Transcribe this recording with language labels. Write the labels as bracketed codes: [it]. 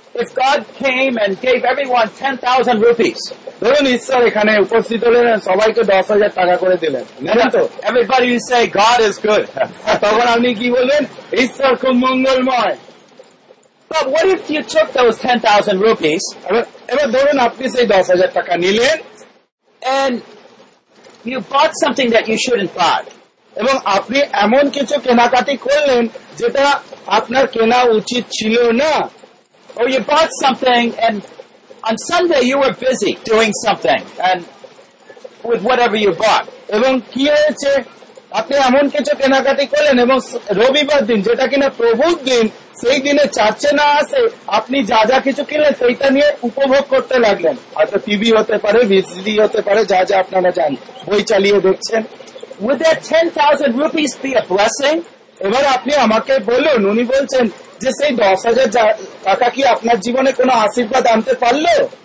[en] If God came and gave everyone 10,000 rupees, [bn] ধরুন ঈশ্বর এখানে উপস্থিত হলেন সবাইকে 10,000 টাকা করে দিলেন, [en] everybody will say God is good. [bn] তখন আপনি কি বলবেন? ঈশ্বর খুব মঙ্গলময়. [en] But what if you took those 10,000 rupees? [bn] এবার ধরুন আপনি সেই 10,000 টাকা নিলেন [en] and you bought something that you shouldn't buy. [bn] এবং আপনি এমন কিছু কেনাকাটি করলেন যেটা আপনার কেনা উচিত ছিল না. [en] Or you bought something and on Sunday you were busy doing something and with whatever you bought. [bn] এবং কি হয়েছে আপনি এমন কিছু কেনাকাটি করলেন এবং রবিবার দিন যেটা কিনা প্রভুর দিন সেই দিনে চার্চে না আসে আপনি যা যা কিছু কিনলেন সেইটা নিয়ে উপভোগ করতে লাগলেন, হয়তো টিভি হতে পারে, ভিসিডি হতে পারে, যা যা আপনারা জান বই চালিয়ে দেখছেন. [en] Would that 10,000 rupees be a blessing? [bn] এবার আপনি আমাকে বলুন, উনি বলছেন যে সেই 10,000 টাকা কি আপনার জীবনে কোন আশীর্বাদ আনতে পারলো?